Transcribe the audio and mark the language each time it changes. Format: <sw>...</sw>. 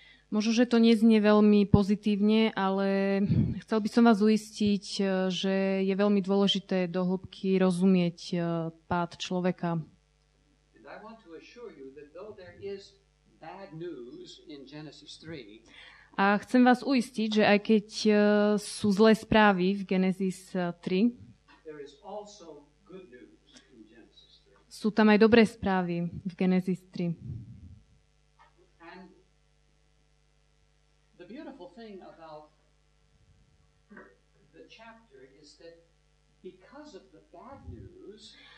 <sk>Možno, že to neznie veľmi pozitívne, ale chcel by som vás uistiť, že je veľmi dôležité do hĺbky rozumieť pád človeka.</sk> <en>And I want to assure you that though there is bad news in Genesis 3.</en> <sk>A chcem vás uistiť, že aj keď sú zlé správy v Genesis 3,</sk> <en>there is also good news in Genesis 3.</en> <sk>Sú tam aj dobré správy v Genesis 3.</sk> <en>And the beautiful thing about the chapter is that because of the bad news.</en>